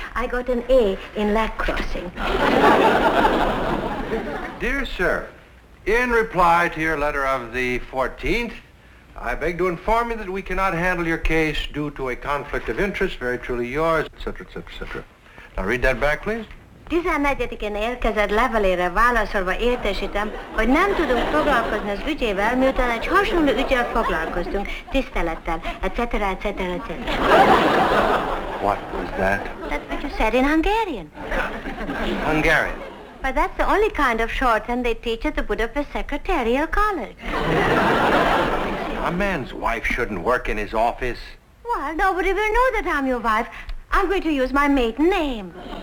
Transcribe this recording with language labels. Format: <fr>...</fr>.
<en>I got an A in leg crossing. Dear sir, in reply to your letter of the 14th, I beg to inform you that we cannot handle your case due to a conflict of interest, very truly yours, etc., etc., etc. Now read that back, please.</en> <hu>Tizenegyedikén érkezett levelére válaszolva értesítem, hogy nem tudunk foglalkozni az ügyével, miután egy hasonló ügyel foglalkoztunk, tisztelettel, etc., etc., etc.</hu> <en>What was that? That's what you said in Hungarian. Hungarian. But that's the only kind of shorthand they teach at the Budapest Secretarial College. A man's wife shouldn't work in his office. Well, nobody will know that I'm your wife. I'm going to use my maiden name.</en>